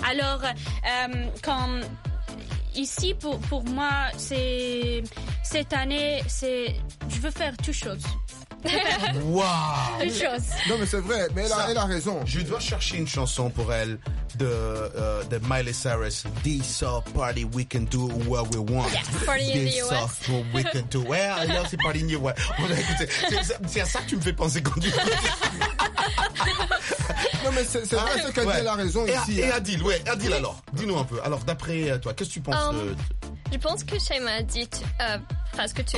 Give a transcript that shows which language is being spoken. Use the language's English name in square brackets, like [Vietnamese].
[French] Alors, quand ici, pour moi, c'est cette année, c'est je veux faire toutes choses. Waouh. Toutes choses. Non, mais c'est vrai. Mais elle a raison. Je dois chercher une chanson pour elle de Miley Cyrus. [English] This party, we can do what we want. Yes, party in the US. This party, we can do. [French] Ouais, [English] well, [French] alors c'est [English] party in the US. [French] Bon, écoutez, c'est à ça que tu me fais penser quand tu. Non, mais c'est vrai, c'est qu'Adil ouais. a raison et ici. Et Adil, ouais, Adil alors, dis-nous un peu. Alors, d'après toi, qu'est-ce que tu penses de... Je pense que Chaïma a dit presque tout.